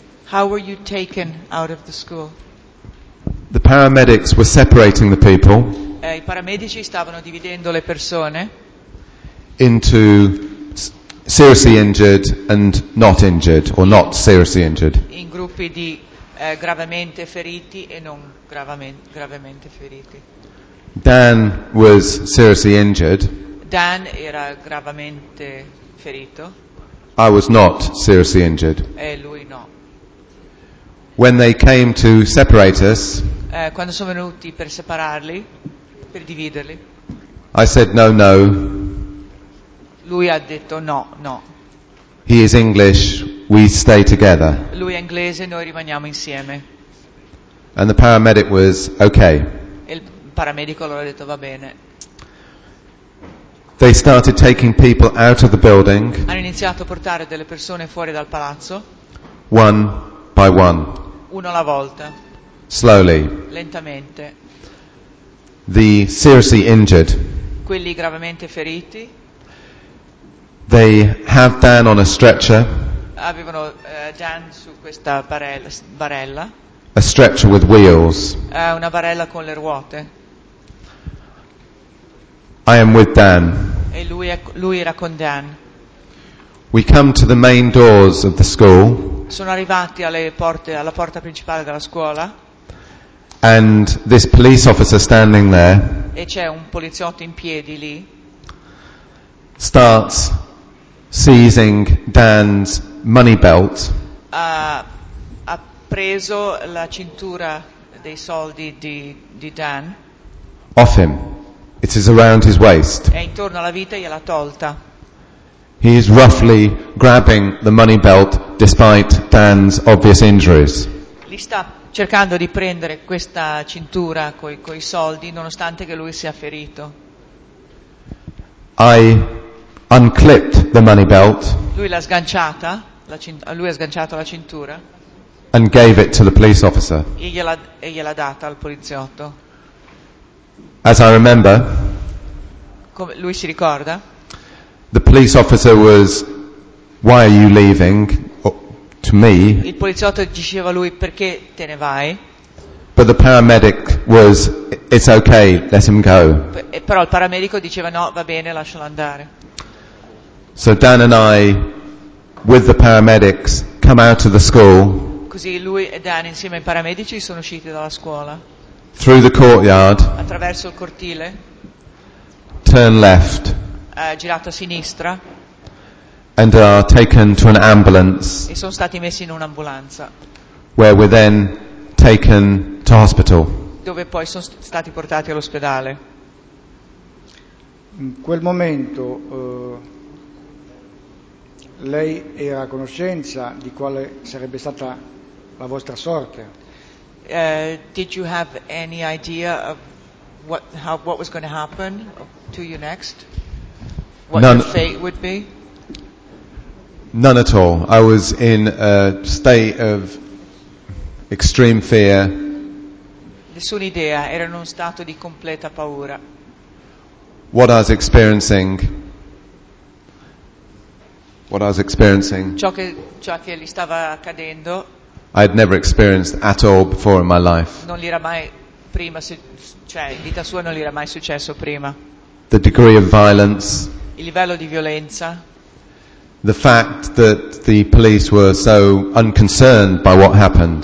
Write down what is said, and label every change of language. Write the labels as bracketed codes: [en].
[en] How were you taken out of the school? The paramedics were separating the people. [it] I paramedici stavano dividendo le persone. [en] Into seriously injured and not injured, or not seriously injured. [it] In gruppi di gravemente feriti e non gravemente feriti. [en] Dan was seriously injured. [it] Dan era gravemente ferito. [en] I was not seriously injured. [it] E lui no. [en] When they came to separate us. [it] Quando sono venuti per separarli, per dividerli. [en] I said no, no. [it] Lui ha detto no, no. [en] He is English, we stay together. [it] Lui è inglese, noi rimaniamo insieme. [en] And the paramedic was okay. [it] E il paramedico allora ha detto va bene. [en] They started taking people out of the building. [it] Hanno iniziato a portare delle persone fuori dal palazzo. [en] One by one. [it] Uno alla volta. [en] Slowly. [it] Lentamente. [en] The seriously injured. [it] Quelli gravemente feriti. [en] They have Dan on a stretcher. [it] Avevano Dan su questa barella. [en] A stretcher with wheels. [it] Una barella con le ruote. [en] I am with Dan. [it] E lui era con Dan. [en] We come to the main doors of the school. [it] Sono arrivati alle porte, alla porta principale della scuola. [en] And this police officer standing there. [it] E c'è un poliziotto in piedi lì. [en] starts seizing Dan's money belt. [it] Ha preso la cintura dei soldi di Dan. [en] Off him. It is around his waist. [it] È intorno alla vita e gliela tolta. [en] He is roughly grabbing the money belt despite Dan's obvious injuries. [it] Li sta cercando di prendere questa cintura coi soldi nonostante che lui sia ferito. [en] I unclipped the money belt. [it] Lui l'ha sganciata, lui ha sganciato la cintura. [en] And gave it to the police officer. [it] E gliela data al poliziotto. [en] As I remember, [it] come lui si ricorda, [en] the police officer was, "Why are you leaving?" To me. [it] Il poliziotto diceva a lui, "Perché te ne vai?" [en] But the paramedic was, "It's okay, let him go." [it] Però il paramedico diceva, "No, va bene, lascialo andare." [en] So Dan and I, with the paramedics, come out of the school. [it] Così lui e Dan insieme ai paramedici sono usciti dalla scuola. [en] Through the courtyard. [it] Attraverso il cortile. [en] Turn left. [it] Girato a sinistra. [en] And are taken to an ambulance. [it] E sono stati messi in un'ambulanza. [en] Where we're then taken to hospital. [it] Dove poi sono stati portati all'ospedale. In quel momento lei era a conoscenza di quale sarebbe stata la vostra sorte? [en] Did you have any idea of what was going to happen to you next? What your fate would be? None at all. I was in a state of extreme fear. [it] Nessuna idea, ero in uno stato di completa paura. [en] What I was experiencing. What I was experiencing. [it] Ciò che gli stava accadendo. [en] I had never experienced at all before in my life. [it] Non gli era mai prima, cioè in vita sua non gli era mai successo prima. [en] The degree of violence. [it] Il livello di violenza. [en] The fact that the police were so unconcerned by what happened.